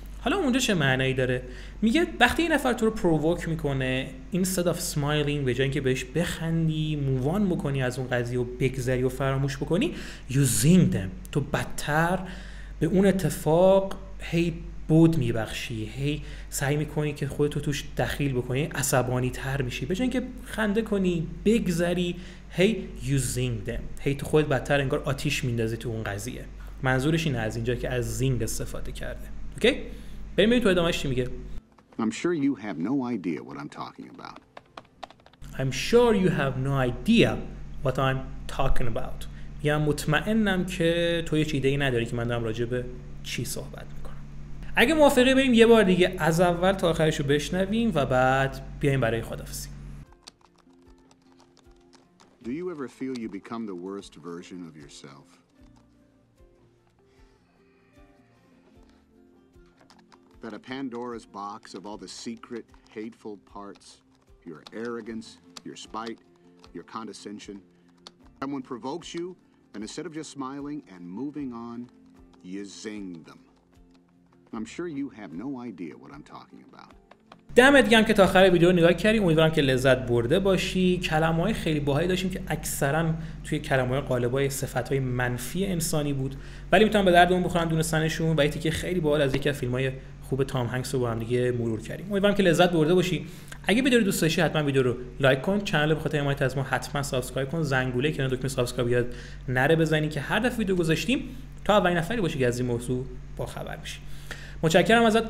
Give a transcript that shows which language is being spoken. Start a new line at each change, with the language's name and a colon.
Persian: حالا اونجا چه معنایی داره؟ میگه وقتی یه نفر تو رو پرووک میکنه،
English: instead of smiling،
Persian: به جای اینکه بهش بخندی، مووان بکنی از اون قضیه و بگذری و فراموش بکنی،
English: you zing them،
Persian: تو بدتر به اون اتفاق هی بود میبخشی، هی سعی میکنی که خودتو توش دخیل بکنی، عصبانی تر میشی، به جای اینکه خنده کنی، بگذری، هی you zing them، هی تو خودت بدتر انگار آتیش میندازی تو اون قضیه. منظورش اینه از اینجا که از زینگ استفاده کرده. اوکی؟ بریم ببینیم تو ادامهش چی میگه.
English: I'm sure you have no idea what I'm talking about. I'm sure you have no idea what I'm talking about.
Persian: میگم مطمئنم که تو یه چیده ای نداری که من دارم راجع به چی صحبت میکنم. اگه موافقه بریم یه بار دیگه از اول تا آخرش رو بشنویم و بعد بیایم برای خداحافظی.
English: Do you ever feel you become the worst version of yourself? That a Pandora's box of all the secret, hateful parts, your arrogance, your spite, your condescension. Someone provokes you, and instead of just smiling and moving on, you zing them. I'm sure you have no idea what I'm talking about.
Persian: دمت گرم که تا آخر ویدیو نگاه کردی. امیدوارم که لذت برده باشی. کلمه‌های خیلی باحالی داشتیم که اکثرا توی کلمه‌های قالب‌های صفات‌های منفی انسانی بود، ولی میتونم به دردمون بخورن دونستنشون. و یه تیکه خیلی باحال از یکی از فیلم‌های خوب تام هنگس رو با هم دیگه مرور کردیم. امیدوارم که لذت برده باشی. اگه ویدیو رو دوست داشتی حتما ویدیو رو لایک کن، کانال رو به خاطر حمایت از ما حتما سابسکرایب کن، زنگوله کنار دکمه سابسکرایب یاد نره بزنی که هر دفعه ویدیو گذاشتیم تو اولین نفری باشی که از این موضوع با خبر میشی. متشکرم ازت.